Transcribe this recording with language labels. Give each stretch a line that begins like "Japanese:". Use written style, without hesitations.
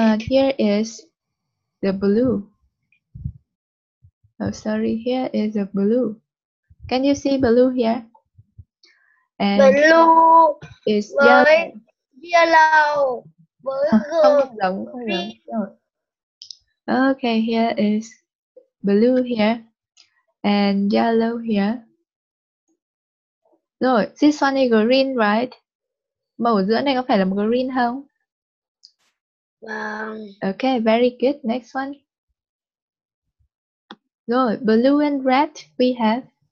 English: Here is the blue. Oh, sorry. Here is the blue. Can you see blue here? And blue is yellow. Yellow.
Vietnamese: Không giống, không giống.
English: Okay, here is blue here and yellow here. Rồi, this one is green, right?
Vietnamese: Màu giữa này có phải là green không? Vâng.
English: Okay, very good. Next one. Rồi, blue and red we have.